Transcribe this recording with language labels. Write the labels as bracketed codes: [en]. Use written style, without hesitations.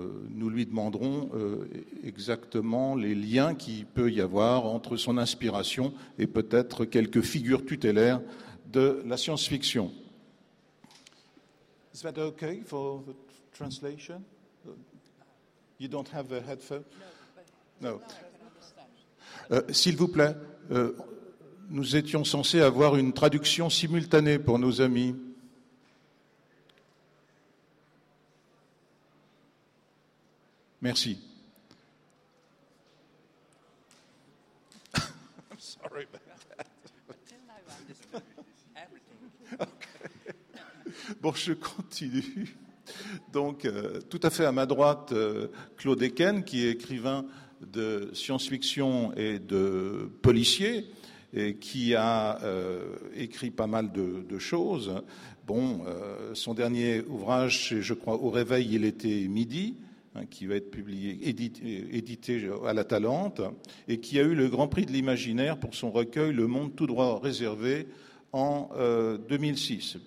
[fr] Nous lui demanderons exactement les liens qu'il peut y avoir entre son inspiration et peut-être quelques figures tutélaires de la science-fiction. [en] Is that okay for the translation? You don't have a headphone? No. [fr] S'il vous plaît, nous étions censés avoir une traduction simultanée pour nos amis. Merci. [en] I'm sorry about that. Until now, I understood everything. [fr] Okay. Bon, je continue. Donc, tout à fait à ma droite, Claude Eken, qui est écrivain de science-fiction et de policier, et qui a écrit pas mal de choses. Bon, son dernier ouvrage, c'est, je crois, Au réveil, il était midi, qui va être publié, édité à la Talente, et qui a eu le Grand Prix de l'Imaginaire pour son recueil Le Monde tout droit réservé en 2006.